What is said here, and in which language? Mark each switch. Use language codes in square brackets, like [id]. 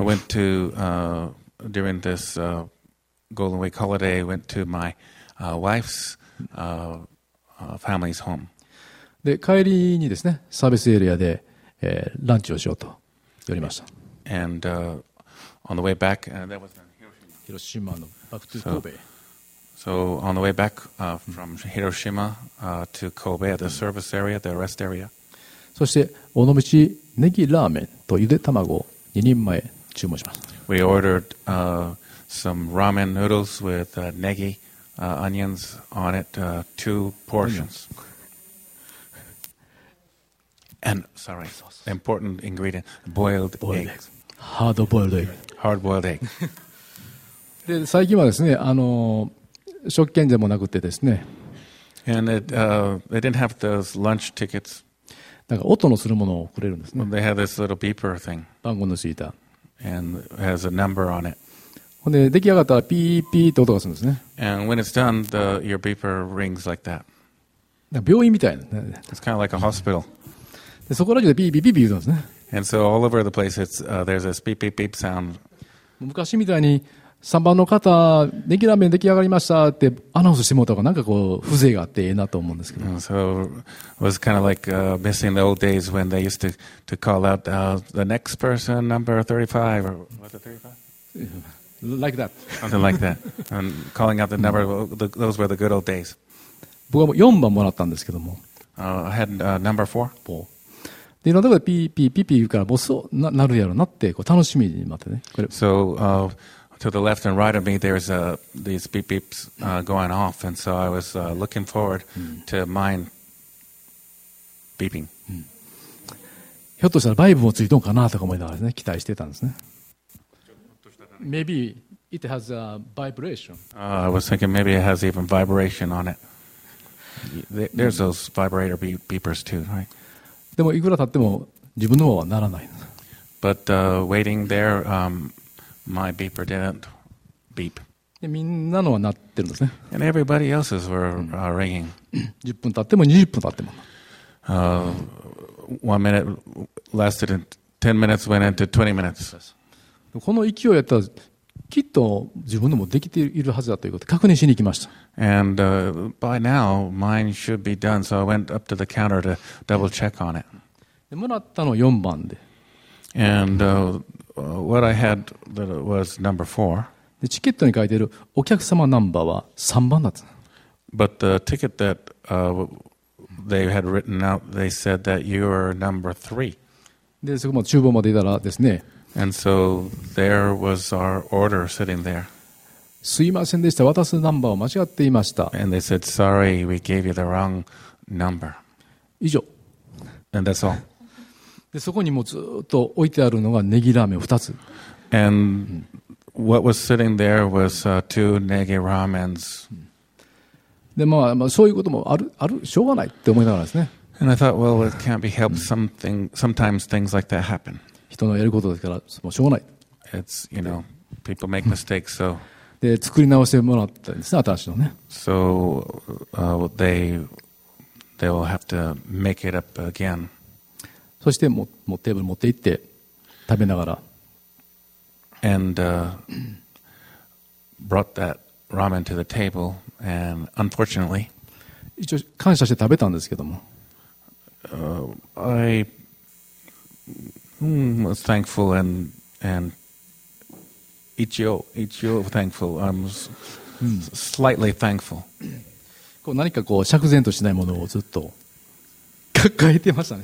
[en] I went to during this Golden Week holiday. I went to my wife's family's home. [ja] で帰りにですね、サービスエリアで、ランチをしようと寄りました。 [en] And on the way back, that was Hiroshima. Hiroshima の back to Kobe. So on the way back from Hiroshima to Kobe at the service area, the rest area. [ja] そして尾道ネギラーメンとゆで卵2人前。注文します。 [en] We ordered some ramen noodles with negi onions on it, two portions. And sorry, important ingredient, boiled egg. Hard boiled egg. Hard boiled egg. [ja] で最近はですね、食券でもなくてですね。 [en] And it, they didn't have those lunch tickets. [ja] なんか音のするものをくれるんですね。 [en] Well, they had this little beeper thing. [ja] 番号のついた。 [en] And has a number on it. [ja] ほんで出来上がったらピーピーって音がするんですね。 [en] And when it's done, your beeper rings like that. [ja] 病院みたいな。 [en] It's kind of like a hospital. [ja] でそこら中でビービービービー言うんですね。 [en] And so all over the place, it's, there's this beep beep beep sound. [ja] 昔みたいに3番の方、ネギラーメン出来上がりましたってアナウンスしてもらったら、なんかこう風情があっていいなと思うんですけど。 [en] So it was kind of like missing the old days when they used to call out the next person, number 35, or was it 35? Like that. Something like that. And calling out the number, those were the good old days. [ja] 僕は4番もらったんですけども。 [en] I had number 4. [ja] でいろんなところでピーピーピーピー言うからボスになるやろなってこう楽しみに待ってね。これ [en] so, to the left and right of me, there's these beep beeps going off, and so I was looking forward to mine beeping.、うん、 [ja] ひょっとしたらバイブもついとんかなとか思いながらね、期待してたんですね。 [en] Maybe it has a vibration.、 I was thinking maybe it has even vibration on it. There's those vibrator beepers too, right? [ja] でもいくら経っても自分の方はならない。 [en] But waiting there, my beeper didn't beep. [ja] でみんなのは鳴ってるんですね。 [en] And everybody else's were ringing. [ja] 10分経っても20分経っても。 [en] One minute lasted and 10 minutes went into 20 minutes. [ja] この勢いやったらきっと自分のもできているはずだということを確認しに行きました。 [en] And by now mine should be done, so I went up to the counter to double check on it. [ja] でもらったのは4番で。 [en] And what I had that was number 4. [ja] でチケットに書いてるお客様ナンバーは3番だった。 [en] But the ticket that they had written out, they said that you are number 3. [ja] でそこも厨房までいたらですね。 [en] And so there was our order sitting there. [ja] すいませんでした。渡すナンバーを間違っていました。 [en] And they said, sorry, we gave you the wrong number. [ja] 以上。 [en] And that's all. [ja] で、そこにもずっと置いてあるのがネギラーメン2つ。 [en] And what was sitting there was two negi ramens. [ja] で、まあ、まあそういうこともある、しょうがないって思いながらですね。 [en] And I thought, well, it can't be helped. Something, sometimes things like that happen. [ja] 人のやることですからもうしょうがない。 [en] It's, you know, people make mistakes, so. [ja] で作り直してもらったんですね、新しいのね。 [en] So, they will have to make it up again. [ja] そしてもうテーブル持って行って食べながら。 [en] And brought that ramen to the table, and unfortunately, [ja] 一応感謝して食べたんですけども。 [en] I was thankful and ichio thankful. I'm slightly thankful. [ja] こう何かこう釈然としないものをずっと抱えてましたね。